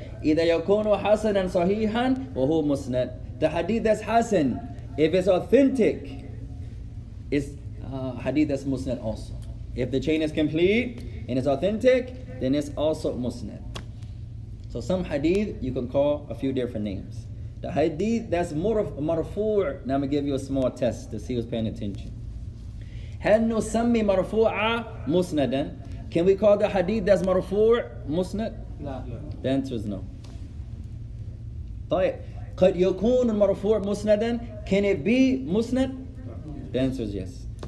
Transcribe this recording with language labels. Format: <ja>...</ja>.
<ar>إذا يكون حسنا صحيحا وهو مسند.</ar> <en>The hadith is Hasan. If it's authentic, it's hadith is musnad also. If the chain is complete and it's authentic, then it's also musnad. So some hadith you can call a few different names. The hadith that's marfu'. Now I'm gonna give you a small test to see who's paying attention.</en> <ar>هل نسمي مرفوعا مسندا؟</ar> <en>Can we call the hadith as مرفوع مسند؟</en> <ar>لا.</ar> <en>The answer is no. طيب,</en> <ar>قد يكون المرفوع مسندا؟</ar> <en>Can it be مسند؟ The answer is yes.</en>